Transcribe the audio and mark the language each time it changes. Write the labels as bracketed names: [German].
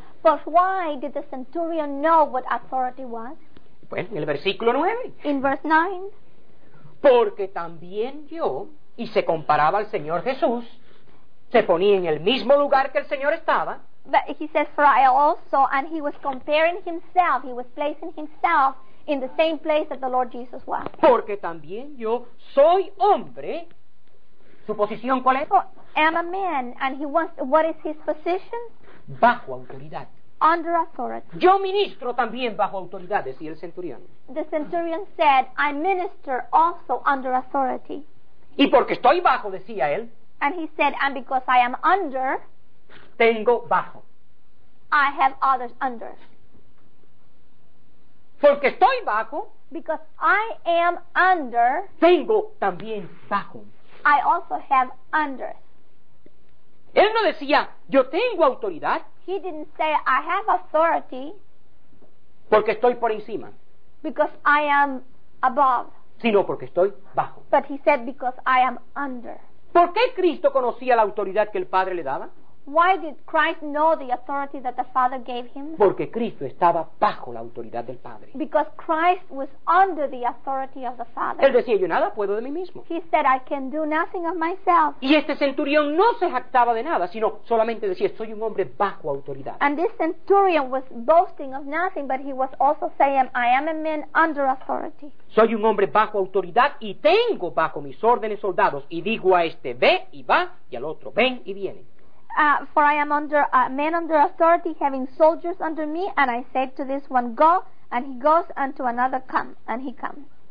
[English] But why did the centurion know what authority was? [Spanish] Bueno, en el versículo 9. [English] In verse 9. [Spanish] Porque también yo, y se comparaba al Señor Jesús, se ponía en el mismo lugar que el Señor estaba. [English] But he says, for I also, and he was comparing himself, he was placing himself in the same place that the Lord Jesus was. [Spanish] Porque también yo soy hombre. ¿Su posición cuál es? [English] I'm a man, and he wants, what is his position? [Spanish] Bajo autoridad. [English] Under authority. [Spanish] Yo ministro también bajo autoridad, decía el centurión. [English] The centurion said, I minister also under authority. [Spanish] Y porque estoy bajo, decía él. [English] And he said, and because I am under. [Spanish] Tengo bajo. [English] I have others under. [Spanish] Porque estoy bajo. [English] Because I am under. [Spanish] Tengo también bajo. [English] I also have under. [Spanish] Él no decía, yo tengo autoridad. [English] He didn't say, I have authority. [Spanish] Porque estoy por encima. [English] Because I am above. [Spanish] Sino porque estoy bajo. [English] But he said, because I am under. [Spanish] ¿Por qué Cristo conocía la autoridad que el Padre le daba? [English] Why did Christ know the authority that the Father gave him? [Spanish] Porque Cristo estaba bajo la autoridad del Padre. [English] Because Christ was under the authority of the Father. [Spanish] Él decía, yo nada puedo de mí mismo. [English] He said, I can do nothing of myself. [Spanish] Y este centurión no se jactaba de nada, sino solamente decía, soy un hombre bajo autoridad. [English] And this centurion was boasting of nothing, but he was also saying, I am a man under authority. [Spanish] Soy un hombre bajo autoridad y tengo bajo mis órdenes soldados, y digo a este, ve y va, y al otro, ven y viene. [English] For I am under a man under authority, having soldiers under me, and I say to this one, go, and he goes, and to another, come, and he comes.